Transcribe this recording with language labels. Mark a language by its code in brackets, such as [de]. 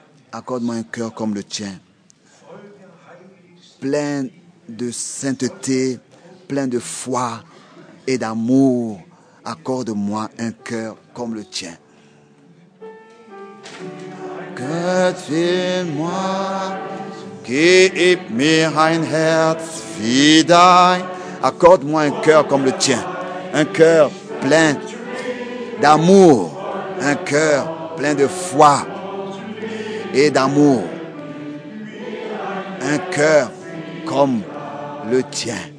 [fr] Accorde-moi un cœur comme le tien. Plein de sainteté, plein de foi et d'amour. Accorde-moi un cœur comme le tien. Que tu es moi, [de] gib mir ein Herz wie dein. [fr] Accorde-moi un cœur comme le tien. Un cœur plein d'amour. Un cœur plein de foi et d'amour. Un cœur comme le tien.